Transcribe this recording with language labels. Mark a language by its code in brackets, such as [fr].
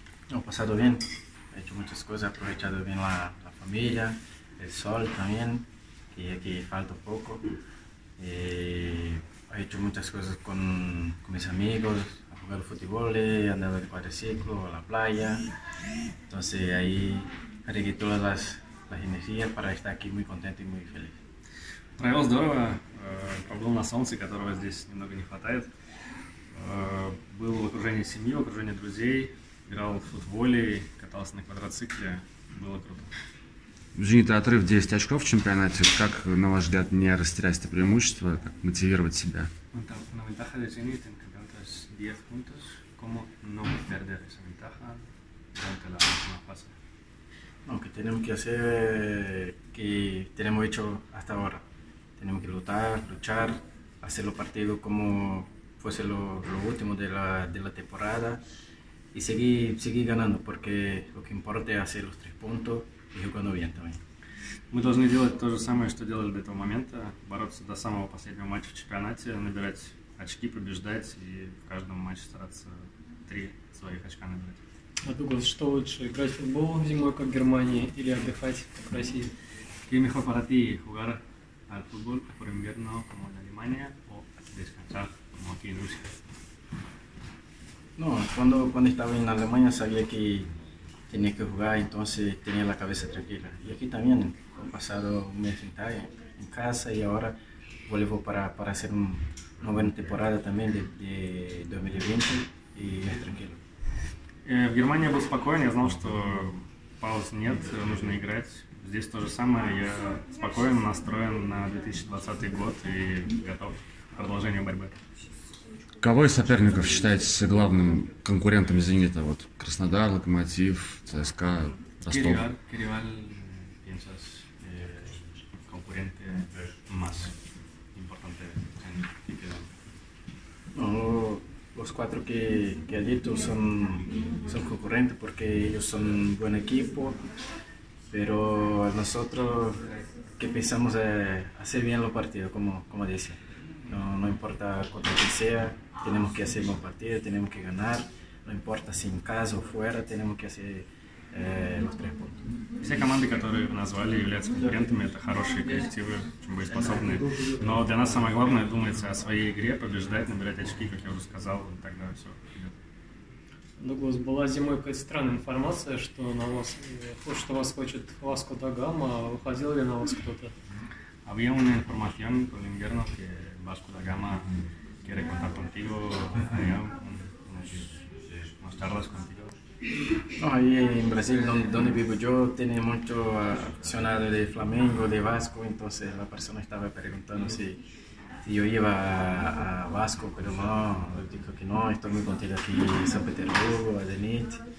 [es] No, he pasado bien, he hecho muchas cosas, he aprovechado bien la familia, el sol también, que aquí falta poco. He hecho muchas cosas con mis amigos, he jugado fútbol, he andado en cuatriciclo, a la playa. Entonces ahí regué todas las energías para estar aquí muy contento y muy feliz. [ru] Здорово. Побыл на солнце, которого здесь немного не хватает. Был в окружении семьи, в окружении друзей, играл в футболе, катался на квадроцикле. Было круто. Женит отрыв 10 очков в чемпионате. Как, на ваш взгляд, не растерять это преимущество, как мотивировать себя? [es] Una ventaja de Zenit en campeonato es 10 puntos. ¿Cómo no perder esa ventaja durante la próxima fase? Lo que tenemos que hacer, que tenemos hecho hasta ahora, tenemos que luchar, hacer los partidos como fuese lo último de la temporada y seguir ganando, porque lo que importa es hacer los 3 puntos y jugando bien también. [ru] Мы должны делать то же самое, что делали до этого момента, бороться до самого последнего матча в чемпионате, набирать очки, побеждать и в каждом матче стараться 3 своих очка набирать. А Дуглас, что лучше, играть в футбол зимой, как в Германии, или отдыхать, как в России? [es] ¿Qué mejor para ti, jugar al fútbol por invierno como en Alemania o descansar como aquí en Rusia? No, cuando estaba en Alemania sabía que tenía que jugar, entonces tenía la cabeza tranquila. Y aquí también, he pasado un mes en casa y ahora vuelvo para hacer una buena temporada también de 2020 y es tranquilo. [ru] В Германии был спокоен, я знал, что пауз нет, нужно играть. Здесь то же самое, я спокоен, настроен на 2020 год и готов к продолжению борьбы. Кого из соперников считаете главным конкурентом «Зенита»? Вот Краснодар, Локомотив, ЦСКА, Ростов. [es] ¿Qué rival piensas concurrente más importante en el equipo? Los 4 que has dicho son concurrentes porque ellos son buen equipo, pero nosotros que pensamos hacer bien los partidos, como dice. No importa contra quién sea, tenemos que hacer buen partido, tenemos que ganar. No importa si en casa o fuera, tenemos que hacer los 3 puntos. [ru] Все команды, которые вы назвали, являются конкурентами, это хорошие коллективы, очень боеспособные. Но для нас самое главное думается о своей игре, побеждать, набирать очки, как я уже сказал, и тогда все идет. Дуглас, была зимой какая-то странная информация, что что вас хочет Васко да Гама, а выходил ли на вас кто-то? [es] Había una información por el invierno que Vasco da Gama quiere contar contigo, había unas charlas contigo. No, ahí en Brasil, donde vivo yo, tiene mucho aficionado de Flamengo, de Vasco, entonces la persona estaba preguntando si yo iba a Vasco, pero no, dijo que no, estoy muy contento aquí en San Petersburgo, a Zenit.